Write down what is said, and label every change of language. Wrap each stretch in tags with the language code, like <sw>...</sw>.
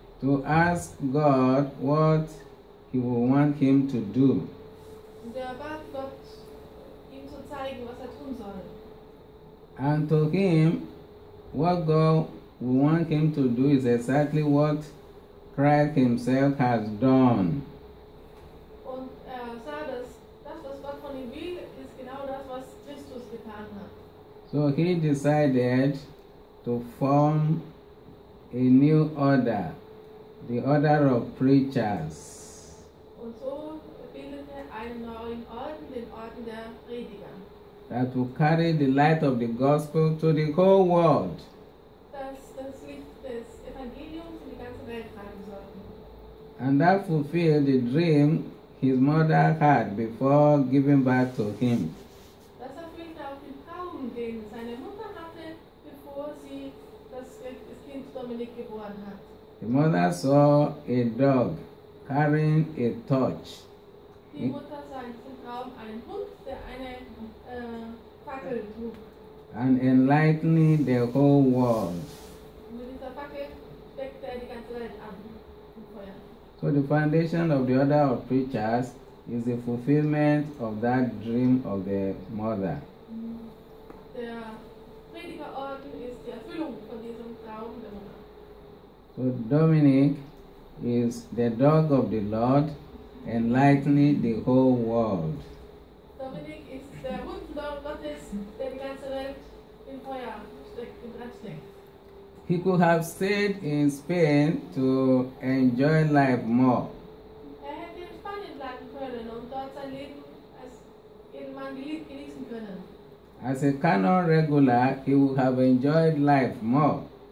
<en>To ask God what he will want him to do.</en> <de>Und er bat Gott, ihm zu zeigen, was er tun soll.</de> <en>And to him, what God will want him to do is exactly what Christ himself has done.</en> <de>Und er sah, dass das, was Gott von ihm will, ist genau das, was Christus getan hat.</de> <en>So he decided to form a new order, the order of preachers.</en> <de>Und so bildete einen neuen Orden, den Orden der Prediger.</de> <en>That will carry the light of the gospel to the whole world.</en> <de>Das Licht des Evangeliums in die ganze Welt tragen sollte.</de> <en>And that fulfilled the dream his mother had before giving birth to him.</en> <de>Das erfüllte auch den Traum, den seine Mutter hatte, bevor sie das Kind Dominic geboren hat.</de> <en>The mother saw a dog carrying a torch.</en> <de>Die Mutter sah in diesem Traum einen Hund, der eine Fackel trug.</de> <en>And enlightening the whole world.</en> <de>Und mit dieser Fackel steckte er die ganze Welt an, im Feuer.</de> <en>So the foundation of the order of preachers is the fulfillment of that dream of the mother.</en> <de>Der Predigerorden ist die Erfüllung von diesem Traum der Mutter.</de> <en>So Dominic is the dog of the Lord enlightening the whole world.</en> <de>Dominic</de> <en>is the</en> <de>Hund Gottes, der die ganze Welt in Feuer steckt.</de> <en>He could have stayed in Spain to enjoy life more.</en> <de>Er hätte in Spanien bleiben können und dort sein Leben als Edelmann genießen können.</de> <en>As a canon regular, he would have enjoyed life more.</en>